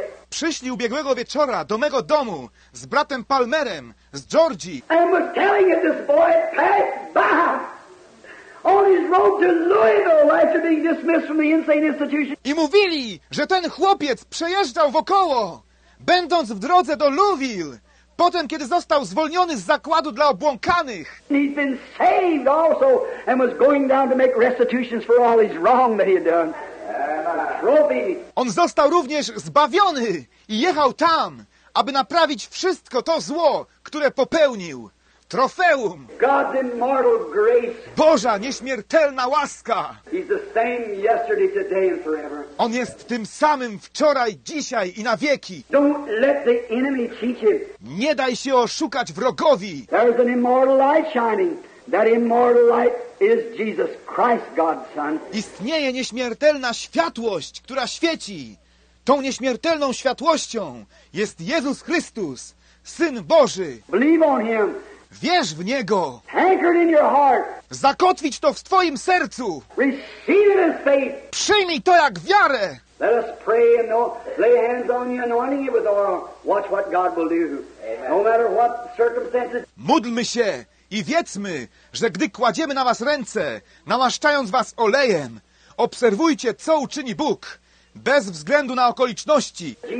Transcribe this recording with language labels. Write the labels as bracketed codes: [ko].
[pl] Przyszli ubiegłego wieczora do mego domu z bratem Palmerem z Georgii. [en] And was telling it this boy passed by on his road to Louisville after being dismissed from the insane institution. [pl] I mówili, że ten chłopiec przejeżdżał wokoło. Będąc w drodze do Louisville, potem kiedy został zwolniony z zakładu dla obłąkanych. [en] He's been saved also and was going down to make restitutions for all his wrong that he had done. Trophy. [pl] On został również zbawiony i jechał tam, aby naprawić wszystko to zło, które popełnił. Trofeum. [en] God's immortal grace. [pl] Boża nieśmiertelna łaska. [en] He's the same yesterday, today and forever. [pl] On jest tym samym wczoraj, dzisiaj i na wieki. [en] Don't let the enemy cheat you. [pl] Nie daj się oszukać wrogowi. [en] There's an immortal light shining. That immortal light is Jesus Christ, God's Son. [pl] Istnieje nieśmiertelna światłość, która świeci. Tą nieśmiertelną światłością jest Jezus Chrystus, Syn Boży. [en] Believe on him. [pl] Wierz w Niego. [en] Anchored in your heart. [pl] Zakotwicz to w Twoim sercu. [en] Receive it as faith. [pl] Przyjmij to jak wiarę. [en] Let us pray and lay hands on the anointing with oil. Watch what God will do. No matter what circumstances. [pl] Módlmy się i wiedzmy, że gdy kładziemy na was ręce, namaszczając was olejem, obserwujcie, co uczyni Bóg, bez względu na okoliczności.